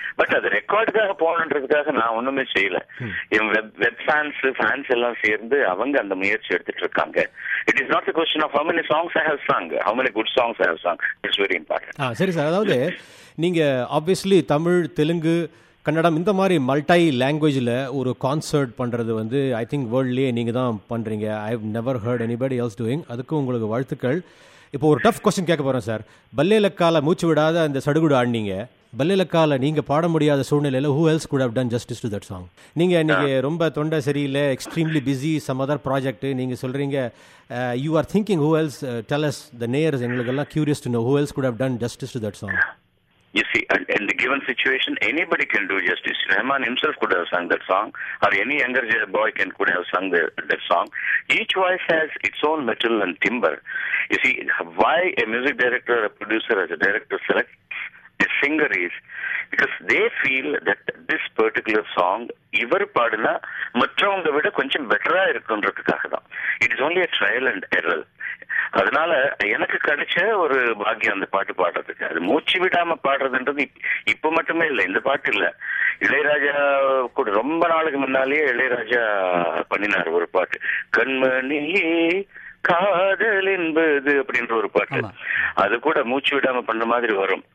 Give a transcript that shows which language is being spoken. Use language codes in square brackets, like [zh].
[ta] But அது ரெக்கார்டுக்காக போகணுன்றதுக்காக நான் ஒண்ணுமே செய்யல. வெப் ஃபேன்ஸ் ஃபேன்ஸ் எல்லாம் சேர்ந்து அவங்க அந்த முயற்சி எடுத்துட்டு இருக்காங்க. [en] It is not a question of how many songs I have sung, how many good songs I have sung. It's very important. [ta] சரி சார், அதாவது நீங்க obviously தமிழ் தெலுங்கு கன்னடம் இந்த மாதிரி மல்டி லாங்குவேஜில் ஒரு கான்சர்ட் பண்ணுறது வந்து ஐ திங்க் வேர்ல்ட்லேயே நீங்கள் தான் பண்ணுறீங்க. I have never hurt anybody else doing. அதுக்கும் உங்களுக்கு வாழ்த்துக்கள். இப்போ ஒரு டஃப் க்வெஸ்சன் கேட்க போகிறேன் சார். பல்லேலக்கால மூச்சு விடாத அந்த சடுகுடு ஆடினீங்க, பல்லேலக்கால நீங்கள் பாட முடியாத சூழ்நிலையில் who else good have done justice to that song? நீங்கள் இன்றைக்கி ரொம்ப தொண்டை சரியில்லை, extremely busy, some other project நீங்கள் சொல்கிறீங்க. You are thinking who else? [en] Tell us the நேயர்ஸ், எங்களுக்கெல்லாம் curious to know who else could have done justice to that song. You see, in the given situation, anybody can do justice. Rahman himself could have sung that song, or any younger boy can could have sung that song. Each voice has its own metal and timber. You see, why a music director, a producer, as a director selects a singer is because they feel that this particular song, ivar paadina mattravanga vida konjam better ah irukkunnadukkaga dhaan. It is only a trial and error. [ta] அதனால எனக்கு கிடைச்ச ஒரு பாக்கியம் அந்த பாட்டு பாடுறதுக்கு. அது மூச்சு விடாம பாடுறதுன்றது இப்ப மட்டுமே இல்லை, இந்த பாட்டு இல்ல, இளையராஜா கூட ரொம்ப நாளுக்கு முன்னாலேயே இளையராஜா பண்ணினார் ஒரு பாட்டு, கண்மணி காதல் என்பது அப்படின்ற ஒரு பாட்டு, அது கூட மூச்சு விடாம பண்ற மாதிரி வரும்.